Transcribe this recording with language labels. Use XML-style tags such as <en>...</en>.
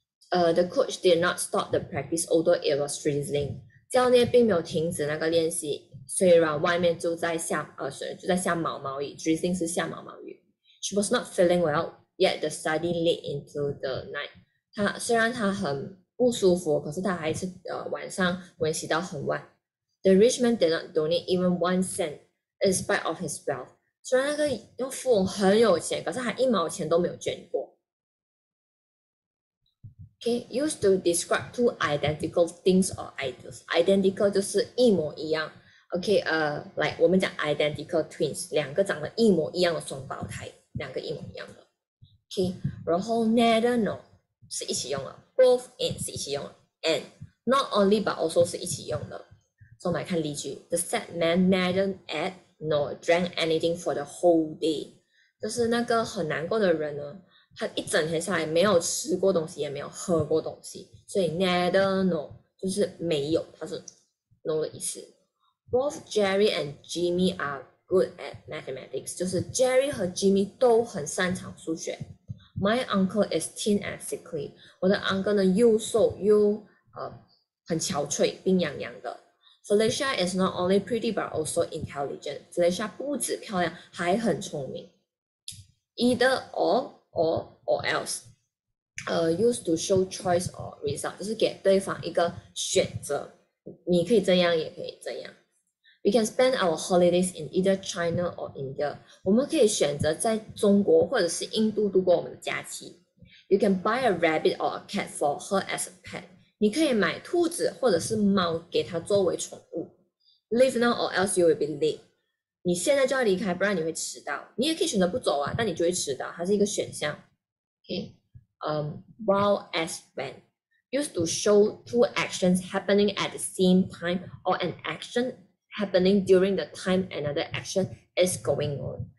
<en>The coach did not stop the practice, although it was freezing.</en> <zh>教练并没有停止那个练习，虽然外面就在下毛毛雨。 Drizzling 是下毛毛雨。</zh> <en>She was not feeling well, yet the study late into the night.</en> <zh>虽然她很不舒服，可是她还是晚上温习到很晚。</zh> <en>The rich man did not donate even 1 cent, in spite of his wealth.</en> <zh>虽然那个富翁很有钱，可是他一毛钱都没有捐过。</zh> <en>Okay, used to describe two identical things or ideas.</en> <zh>Identical 就是一模一样。Okay, 来，我们讲 identical twins，两个长得一模一样的双胞胎，两个一模一样的。 Okay，然后 neither nor 是一起用了，both and 是一起用了，and not only but also 是一起用的。</zh> <en>So my can lead you. The sad man neither ate nor drank anything for the whole day.</en> <zh>就是那个很难过的人呢，他一整天下来没有吃过东西，也没有喝过东西。所以 neither nor 就是没有，它是 no 的意思。</zh> <en>Both Jerry and Jimmy are good at mathematics.</en> <zh>就是 Jerry 和 Jimmy 都很擅长数学。</zh> <en>My uncle is thin and sickly.</en> <zh>我的 uncle 呢又瘦又很憔悴，病殃殃的。</zh> <en>Felicia is not only pretty but also intelligent. Felicia</en> <zh>不止漂亮，还很聪明。</zh> <en>Either or else, used to show choice or result.</en> <zh>就是给对方一个选择，你可以这样，也可以这样。</zh> <en>We can spend our holidays in either China or India.</en> <zh>我们可以选择在中国或者是印度度过我们的假期。</zh> <en>You can buy a rabbit or a cat for her as a pet.</en> <zh>你可以买兔子或者是猫给她作为宠物。</zh> <en>Leave now or else you will be late.</en> <zh>你现在就要离开，不然你会迟到。你也可以选择不走啊，但你就会迟到，它是一个选项。</zh> <en>Okay. While as when. Used to show two actions happening at the same time or an action happening during the time another action is going on.</en>